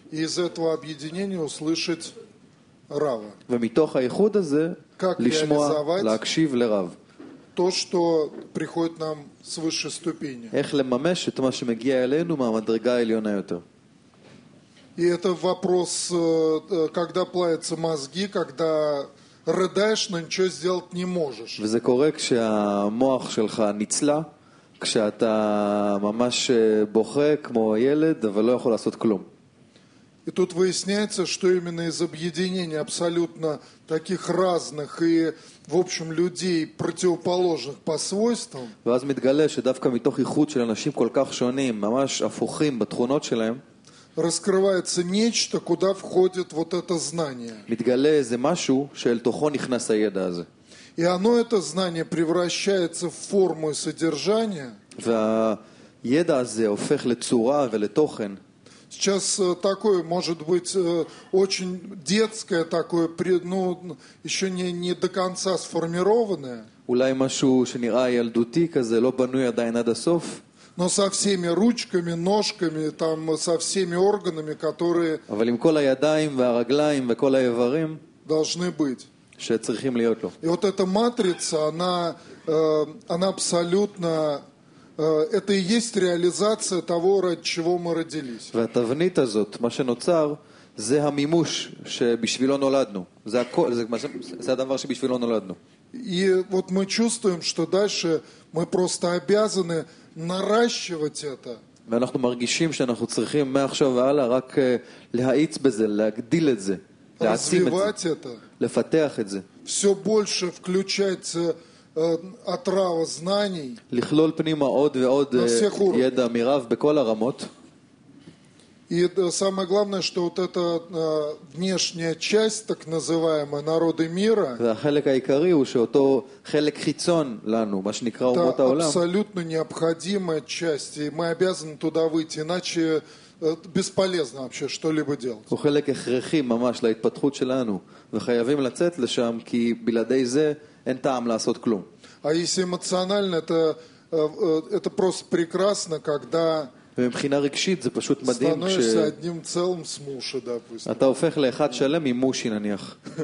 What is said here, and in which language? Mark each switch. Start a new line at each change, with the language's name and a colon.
Russian: И из этого объединения услышать рава.
Hebrew: ומתוך האיחוד הזה לשמוע, להקשיב לרב.
Russian: То, что приходит нам с высшей ступени.
Hebrew: איך לממש את מה שמגיע אלינו מהמדרגה העליונה יותר.
Russian: И это вопрос, когда плавятся мозги, когда рыдаешь, но ничего сделать не можешь.
Hebrew: וזה קורה כשהמוח שלך ניצלה. כשאתה ממש בוכה כמו ילד, אבל לא יכול לעשות כלום.
Russian: И тут выясняется, что именно из объединения абсолютно таких разных и, в общем, людей противоположных по свойствам.
Hebrew: ואז מתגלה שדווקא מתוך איחוד של אנשים כל כך שונים, ממש הפוכים בתכונות שלהם,
Russian: раскрывается нечто, куда входит вот это знание.
Hebrew: מתגלה איזה משהו שאל תוכו נכנס הידע הזה.
Russian: И оно, это знание, превращается в форму и содержание.
Hebrew: והידע הזה הופך לצורה ולתוכן.
Russian: Сейчас такое, может быть, очень детское такое, ну, еще не до конца сформированное.
Hebrew: אולי משהו שנראה ילדותי כזה, לא בנוי עדיין עד הסוף.
Russian: Но со всеми ручками, ножками, там, со всеми органами, которые...
Hebrew: אבל עם כל הידיים והרגליים וכל האיברים...
Russian: должны быть.
Hebrew: שצריכים להיות לו.
Russian: И вот эта матрица, она абсолютно, это и есть реализация того, ради чего мы родились.
Hebrew: והתבנית הזאת, מה שנוצר, זה המימוש שבשבילו נולדנו. זה הכל, זה הדבר שבשבילו נולדנו.
Russian: И вот мы чувствуем, что дальше мы просто обязаны наращивать это.
Hebrew: ואנחנו מרגישים שאנחנו צריכים מעכשיו והלאה רק להאיץ בזה, להגדיל את זה.
Russian: Развивать это.
Hebrew: לפתח את זה.
Russian: Все больше включать отрава знаний.
Hebrew: לכלול פנימה עוד ועוד ידע מרב בכל הרמות.
Russian: И самое главное, что вот эта внешняя часть, так называемая, народы мира.
Hebrew: והחלק העיקרי הוא שאותו חלק חיצון לנו, מה שנקרא אומות העולם.
Russian: Это абсолютно необходимая часть, и мы обязаны туда выйти, иначе бесполезно вообще что-либо делать.
Hebrew: הוא חלק הכרחי ממש להתפתחות שלנו, וחייבים לצאת לשם, כי בלעדי זה אין טעם לעשות כלום.
Russian: А если эмоционально, это просто прекрасно, когда...
Hebrew: ומבחינה רגשית זה פשוט מדהים כש...
Russian: становишься одним целым с мушей, допустим.
Hebrew: אתה הופך לאחד שלם עם מושי, נניח.